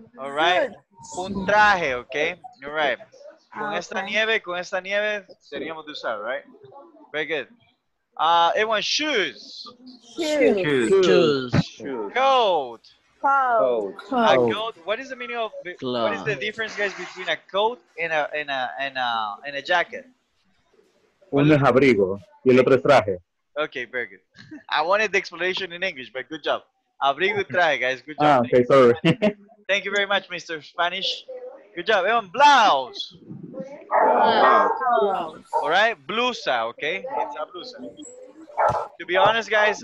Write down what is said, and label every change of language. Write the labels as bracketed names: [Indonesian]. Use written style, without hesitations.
[English] All right. Un traje, okay? You're right. [Spanish] Con esta nieve, teníamos de usar, [English] right? Very good. Everyone, shoes. Shoes. Coat. Coat. A coat. What is the meaning of? What is the difference, guys, between a coat and a jacket? [Spanish] Uno es abrigo y el otro es traje. [English] Okay, very good. I wanted the explanation in English, but good job. [Spanish] Abrigo y traje, [English] guys. Good job. Ah, okay, sorry. Thank you very much, Mr. Spanish. Good job. Everyone, blouse. Blouse. All right, blusa, okay? It's a blusa. To be honest, guys,